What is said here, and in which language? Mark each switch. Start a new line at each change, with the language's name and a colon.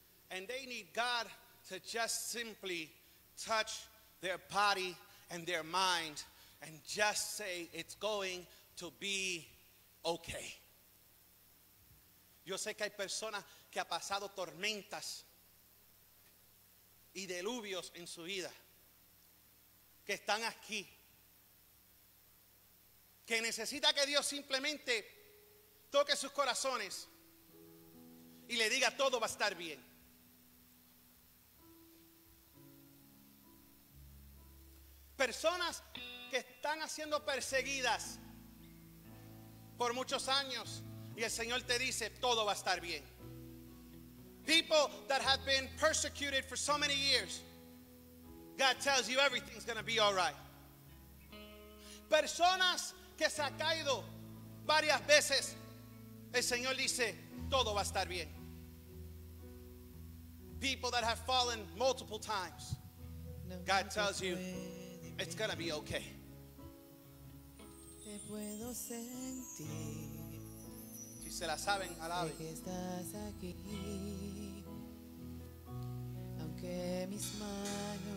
English: And they need God to just simply touch their body and their mind and just say, it's going to be okay.
Spanish: Yo sé que hay personas que ha pasado tormentas y diluvios en su vida, que están aquí, que necesita que Dios simplemente toque sus corazones y le diga todo va a estar bien. Personas que están siendo perseguidas por muchos años, y el Señor te dice, todo va a estar bien.
English: People that have been persecuted for so many years, God tells you everything's going to be all right.
Spanish: Personas que se ha caído varias veces, el Señor dice, todo va a estar bien.
English: People that have fallen multiple times, God tells you, it's going to be okay.
Spanish: Te puedo sentir. Si se la saben, alabe. Que estás aquí. Aunque mis manos.